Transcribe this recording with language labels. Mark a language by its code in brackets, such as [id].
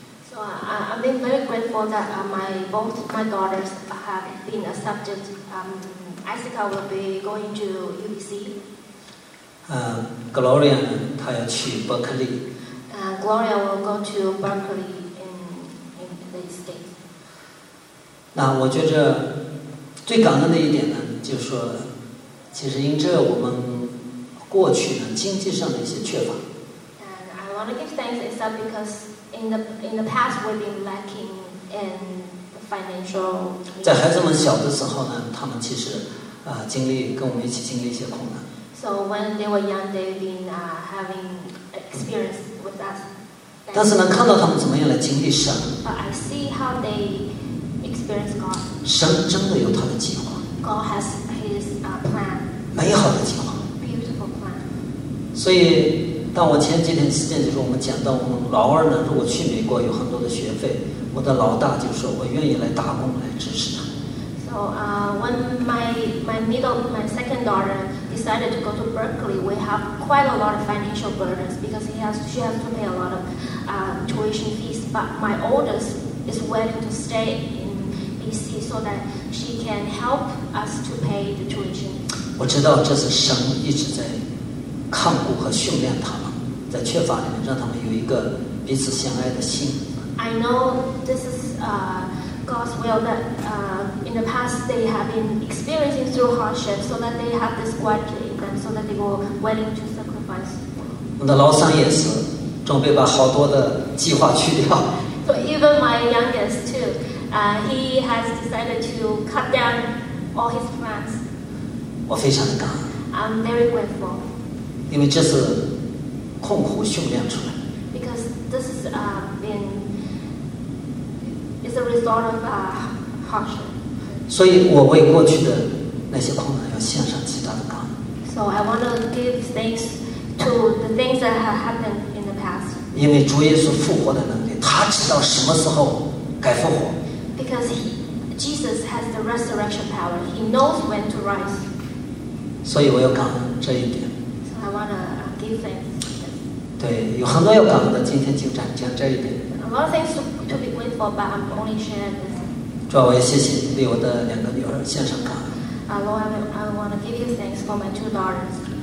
[en] So I've been very grateful that both my daughters have been accepted. Isaka will be going to UBC. [zh] Gloria 她要去伯克利。 [en] Gloria will go to Berkeley in the States. [zh] 那我觉着最感恩的一点呢，就是说，其实因着我们过去呢经济上的一些缺乏。 [en] And I want to give thanks is that because in the past we've been lacking in the financial. [zh] 在孩子们小的时候呢，他们其实经历跟我们一起经历一些困难。 [en] So when they were young, they've been having experience with us. [zh] 但是能看到他们怎么样来经历神。 [en] But I see how they experience God. [zh] 神真的有他的计划。 [en] God has His plan. [zh] 美好的计划。 [en] Beautiful plan. [zh] 所以，当我前几天时间就是我们讲到，我们老二呢，如果去美国有很多的学费，我的老大就说我愿意来打工来支持他。 [en] So when my second daughter. Decided to go to Berkeley. We have quite a lot of financial burdens because she has to pay a lot of tuition fees. But my oldest is willing to stay in BC so that she can help us to pay the tuition. [zh] 我知道这是神一直在看顾和训练他们，在缺乏里面让他们有一个彼此相爱的心。 [en] I know this is God's will that. In the past, they have been experiencing through hardship, so that they have this quality in them, so that they were willing to sacrifice. [zh] 我的老三也是，准备把好多的计划去掉。 [en] So even my youngest too, he has decided to cut down all his plans. [zh] 我非常的感恩。 [en] I'm very grateful. [zh] 因为这是痛苦训练出来。 [en] Because this has been a result of hardship. [zh] 所以我为过去的那些困难要献上极大的感恩。 [en] So So I want to give thanks to the things that have happened in the past. [zh] 因为主耶稣复活的能力，他知道什么时候该复活。 [en] Because Jesus has the resurrection power. He knows when to rise. [zh] 所以我要感恩这一点。 [en] So I want to give thanks. [zh] 对，有很多要感恩的，今天就讲这一点。 [en] A lot of things to be grateful, but I'm only sharing this. [zh] 主啊，我也谢谢你对我的两个女儿献上感恩。 [en] Lord, I want to give you thanks for my two daughters.